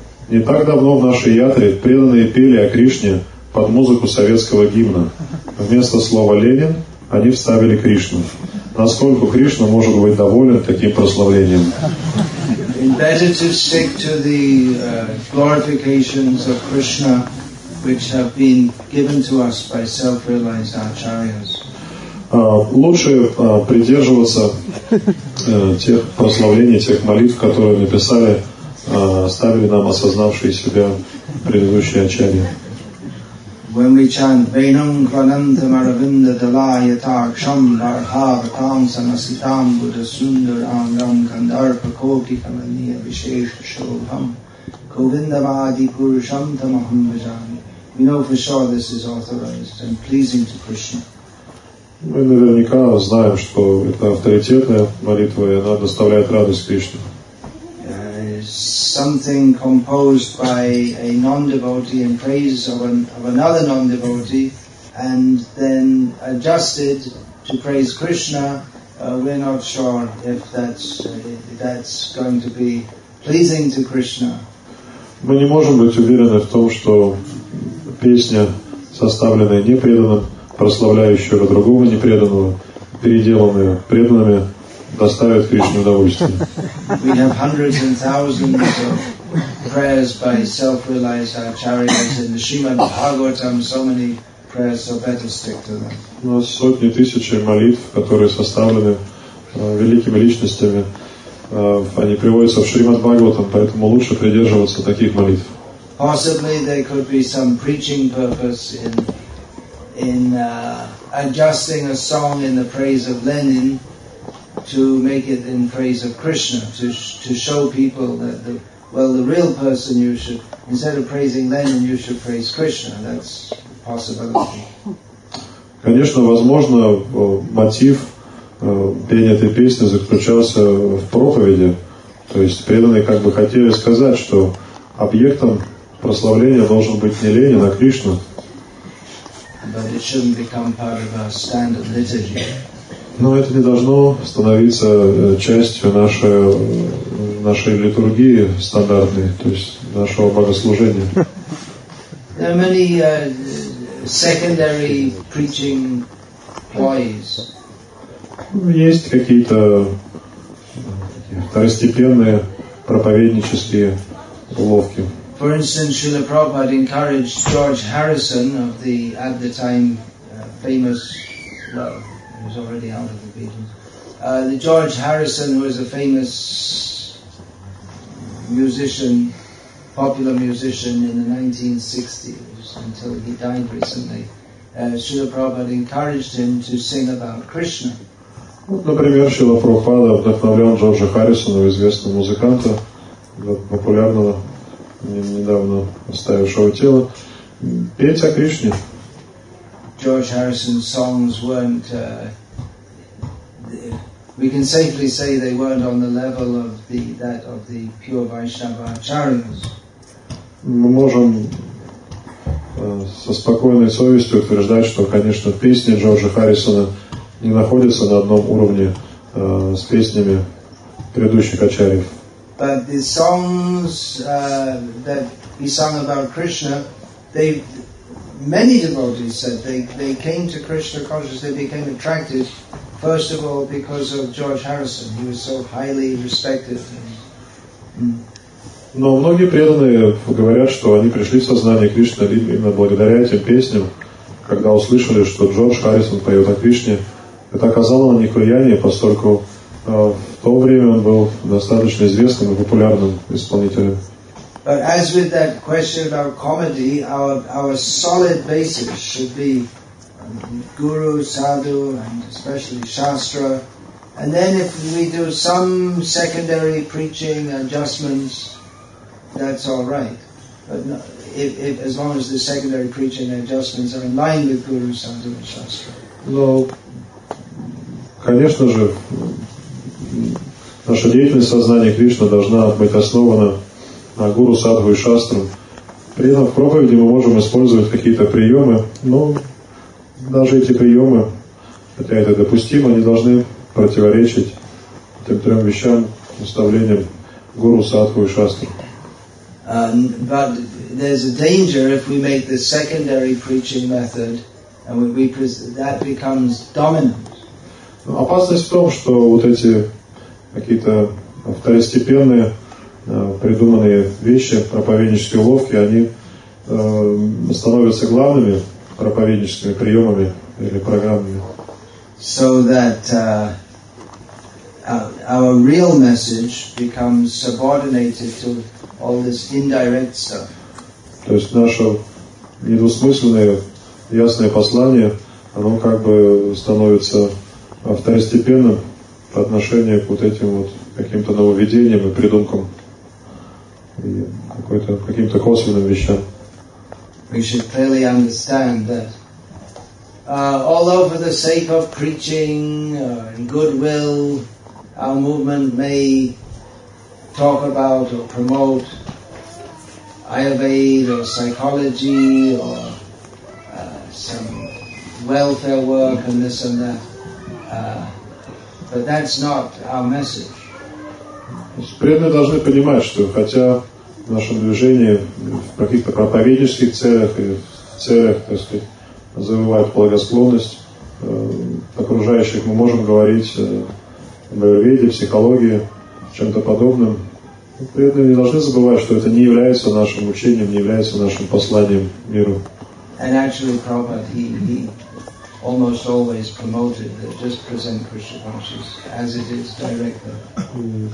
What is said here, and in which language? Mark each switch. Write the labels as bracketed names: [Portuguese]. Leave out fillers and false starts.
[Russian] Не так давно в нашей ятре преданные пели о Кришне под музыку советского гимна. Вместо слова Ленин они вставили Кришну. Насколько Кришна может быть доволен таким прославлением? [English] Better to stick to the glorifications of Krishna, which have been given to us by self-realized acharyas. [Russian] Лучше придерживаться тех прославлений, тех молитв, которые написали, ставили нам осознавшие себя предыдущие ачарьи. [English] When we chant [Sanskrit] Venam Kvananta Maravinda Dalaya Taksham Larhava Tamsamasitam Buddha Sundaram Ram Kandarpa Koki Kamaniya Vishesha Shobham Govinda Vadi Purusham Tamaham Vajami. [English] We know for sure this is authorized and pleasing to Krishna. [Russian] Мы наверняка знаем, что это авторитетная молитва, и она доставляет радость Кришне. [English] Something composed by a non-devotee in praise of another non-devotee, and then adjusted to praise Krishna, we're not sure if that's going to be pleasing to Krishna. [Russian] Мы не можем быть уверены в том, что песня, составленная непреданным, прославляющего другого непреданного, переделанного преданными, доставит Кришне удовольствие. [English] We have hundreds and thousands of prayers by self-realized acharyas in the Srimad Bhagavatam, so many prayers, so better stick to them. [Russian] У нас сотни тысяч молитв, которые составлены великими личностями, они приводятся в Шримад Бхагаватам, поэтому лучше придерживаться таких молитв. [English] Possibly there could be some preaching purpose in adjusting a song in the praise of Lenin to make it in praise of Krishna, to show people that the real person, you should, instead of praising Lenin, you should praise Krishna. That's a possibility. [Russian] Конечно, возможно, мотив пения этой песни заключался в проповеди. То есть преданные как бы хотели сказать, что объектом прославления должен быть не Ленин, а Кришна. [English] But it shouldn't become part of our standard liturgy. [Russian] Но это не должно становиться частью нашей литургии стандартной, то есть нашего богослужения. [English] There are many secondary preaching ways. [Russian] Есть какие-то второстепенные проповеднические уловки. [English] For instance, Srila Prabhupada encouraged George Harrison of the, at the time, famous, well, he was already out of the Beatles. The George Harrison, who was a famous musician, popular musician in the 1960s, until he died recently, Srila Prabhupada encouraged him to sing about Krishna. [Russian] Например, Srila Prabhupada вдохновлял Джорджа Харрисона, известного музыканта, популярного, недавно оставившего тело, петь о Кришне. [English] George Harrison's songs weren't, we can safely say they weren't on the level of the pure Vaishnava acharyas. [Russian] Мы можем со спокойной совестью утверждать, что, конечно, песни Джорджа Харрисона не находятся на одном уровне с песнями предыдущих ачарьев. [English] But the songs that he sung about Krishna, they, many devotees said they came to Krishna consciousness, they became attracted, first of all, because of George Harrison. He was so highly respected. [Russian] Но многие преданные говорят, что они пришли в сознание Кришны именно благодаря этим песням, когда услышали, что Джордж Харрисон поет о Кришне. Это оказало на них влияние, поскольку в то время он был достаточно известным и популярным исполнителем. [English] But as with that question about comedy, our solid basis should be guru, sadhu, and especially shastra. And then if we do some secondary preaching adjustments, that's all right. But if as long as the secondary preaching adjustments are in line with guru, sadhu, and shastra. [Russian] Но, конечно же, наша деятельность сознания Кришны должна быть основана на гуру, садху и шастру. При этом в проповеди мы можем использовать какие-то приемы, но даже эти приемы, хотя это допустимо, не должны противоречить тем трем вещам, наставлениям гуру, садху и шастру. [English] But there's a danger if we make the secondary preaching method And when we that becomes dominant. [Russian] Но опасность в том, что вот эти какие-то второстепенные придуманные вещи, проповеднические уловки, они становятся главными проповедническими приемами или программами. [English] So that our real message becomes subordinated to all this indirect stuff. [Russian] То есть наше недвусмысленное, ясное послание, оно как бы становится второстепенным по отношению к вот этим вот каким-то нововведениям и придумкам и какой-то, каким-то косвенным вещам. [English] We should clearly understand that although for the sake of preaching and goodwill our movement may talk about or promote Ayurveda or psychology or some welfare work and this and that, but that's not our message. [Russian] Преданные должны понимать, что хотя в нашем движении в каких-то проповеднических целях и в целях, так сказать, завоевать благосклонность окружающих, мы можем говорить об Аюрведе, психологии, чем-то подобном. Но преданные не должны забывать, что это не является нашим учением, не является нашим посланием миру. [English] And actually, Prabhupada, he almost always promoted that just present Krishna consciousness as it is directly.